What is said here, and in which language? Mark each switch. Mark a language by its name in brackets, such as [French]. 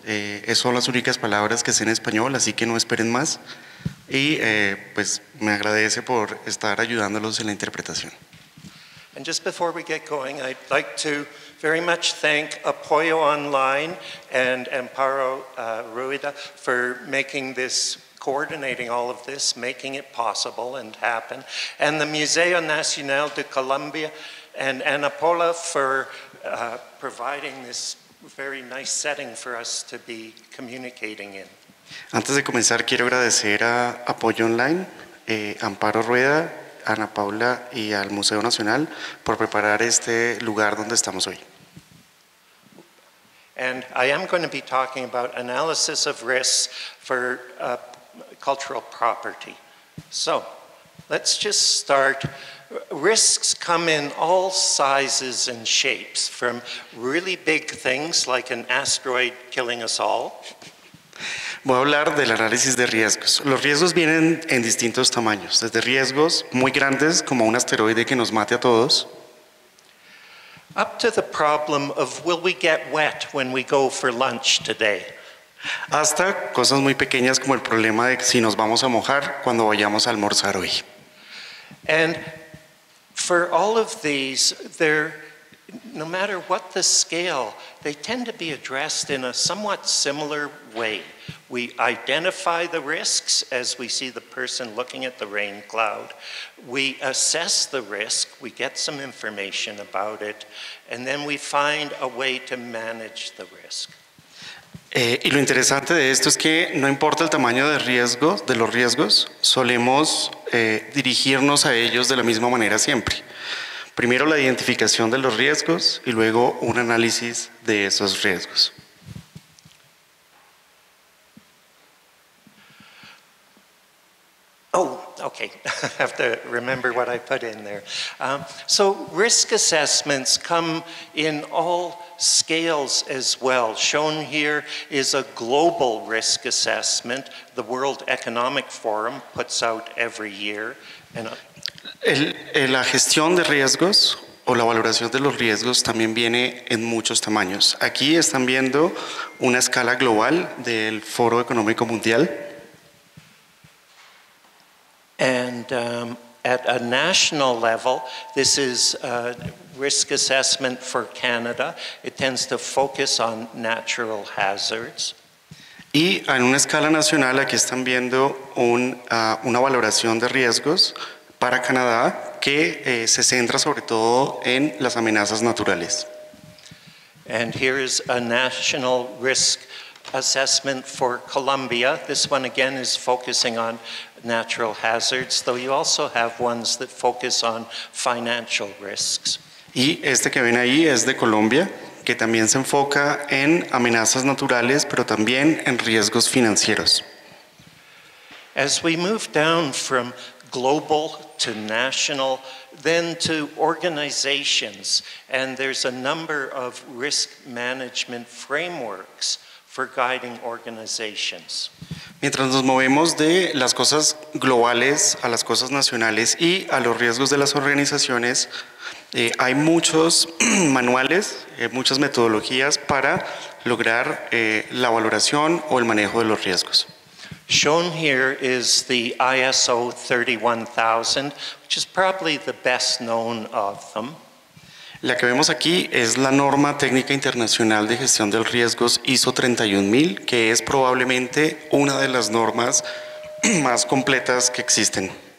[Spanish] Esas son las únicas palabras que sé en español, así que no esperen más. Y pues me agradece por estar ayudándolos en la interpretación. [English] And just before we get going, I'd like to very much thank Apoyo Online and Amparo Rueda for making this, coordinating all of this, making it possible and happen. And the Museo Nacional de Colombia and Ana Paula for providing this very nice setting for us to be communicating in. [Spanish] Antes de comenzar, quiero agradecer a Apoyo Online, Amparo Rueda, Ana Paula y al Museo Nacional por preparar este lugar donde estamos hoy. [English] And I am going to be talking about analysis of risks for cultural property. So let's just start. Risks come in all sizes and shapes, from really big things like an asteroid killing us all. [Spanish] Voy a hablar del análisis de riesgos. Los riesgos vienen en distintos tamaños, desde riesgos muy grandes como un asteroide que nos mate a todos. [English] Up to the problem of will we get wet when we go for lunch today. [Spanish] Hasta cosas muy pequeñas como el problema de si nos vamos a mojar cuando vayamos a almorzar hoy. [English] And for all of these, they're, no matter what the scale, they tend to be addressed in a somewhat similar way. We identify the risks as we see the person looking at the rain cloud. We assess the risk, we get some information about it, and then we find a way to manage the risk. [Spanish] Y lo interesante de esto es que no importa el tamaño de riesgo, de los riesgos, solemos dirigirnos a ellos de la misma manera siempre. Primero la identificación de los riesgos y luego un análisis de esos riesgos. [English] Oh, okay. I have to remember what I put in there. So risk assessments come in all scales as well. Shown here is a global risk assessment the World Economic Forum puts out every year. And [Spanish] la gestión de riesgos o la valoración de los riesgos también viene en muchos tamaños. Aquí están viendo una escala global del Foro Económico Mundial. [English] And at a national level, this is a risk assessment for Canada. It tends to focus on natural hazards. [Spanish] Y en una escala nacional, aquí están viendo una valoración de riesgos para Canadá que se centra sobre todo en las amenazas naturales. [English] And here is a national risk assessment for Colombia. This one again is focusing on natural hazards, though you also have ones that focus on financial risks. [Spanish] Y este que ven ahí es de Colombia, que también se enfoca en amenazas naturales, pero también en riesgos financieros. [English] As we move down from global to national, then to organizations, and there's a number of risk management frameworks for guiding organizations. [Spanish] Mientras nos movemos de las cosas globales a las cosas nacionales y a los riesgos de las organizaciones, hay muchos manuales, muchas metodologías para lograr la valoración o el manejo de los riesgos. [English] Shown here is the ISO 31000, which is probably the best known of them. [Spanish] La que vemos aquí es la norma técnica internacional de gestión de riesgos ISO 31000, que es probablemente una de las normas más completas que existen.